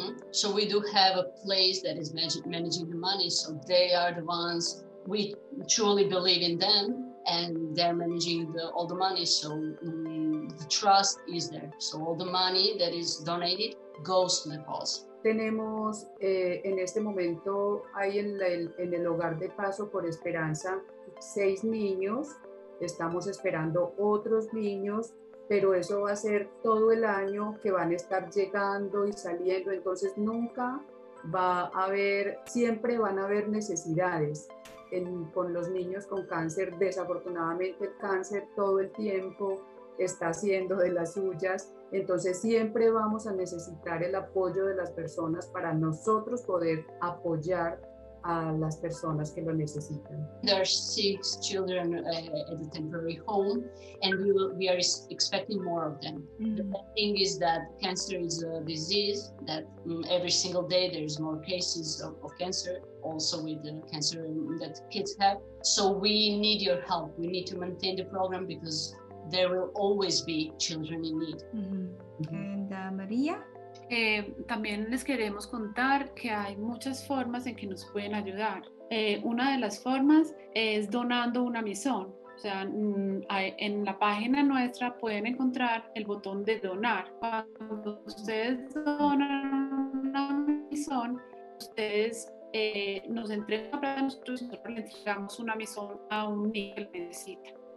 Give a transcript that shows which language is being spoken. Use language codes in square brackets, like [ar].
[en] So we do have a place that is managing the money, so they are the ones, we truly believe in them. And they're managing all the money, so the trust is there. So all the money that is donated goes to Nepal. [es] Tenemos en este momento ahí en el hogar de Paso por Esperanza 6 niños. Estamos esperando otros niños, pero eso va a ser todo el año que van a estar llegando y saliendo. Entonces nunca va a haber, siempre van a haber necesidades. Con los niños con cáncer, desafortunadamente el cáncer todo el tiempo está haciendo de las suyas, entonces siempre vamos a necesitar el apoyo de las personas para nosotros poder apoyar a las personas que lo necesitan. [en] There are 6 children at the temporary home and we are expecting more of them. The bad thing is that cancer is a disease that every single day there's more cases of cancer, also with the cancer that kids have. So we need your help. We need to maintain the program because there will always be children in need. And Maria? [es] También les queremos contar que hay muchas formas en que nos pueden ayudar. Una de las formas es donando una misón. O sea, en la página nuestra pueden encontrar el botón de donar. Cuando ustedes donan una misón, ustedes nos entregan para nosotros y nosotros le entregamos una misión a un niño que necesita.